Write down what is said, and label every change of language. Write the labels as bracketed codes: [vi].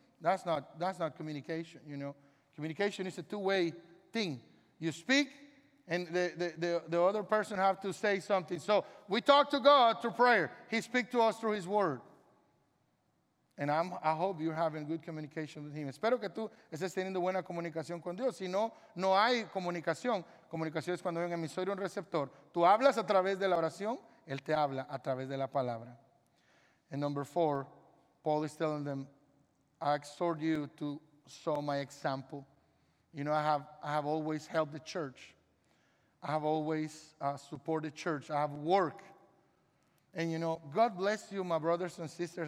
[en] That's not communication, you know. Communication is a two-way thing. You speak, and the other person have to say something. So we talk to God through prayer. He speaks to us through his word. And I hope you're having good communication with him. [es] Espero que tú estés teniendo buena comunicación con Dios. Si no, no hay comunicación. Comunicación es cuando hay un emisor y un receptor. Tú hablas a través de la oración. Él te habla a través de la palabra. [en] And number four, Paul is telling them, I exhort you to saw my example. You know, I have always helped the church. I have always supported church. I have worked. And, you know, God bless you, my brothers and sisters.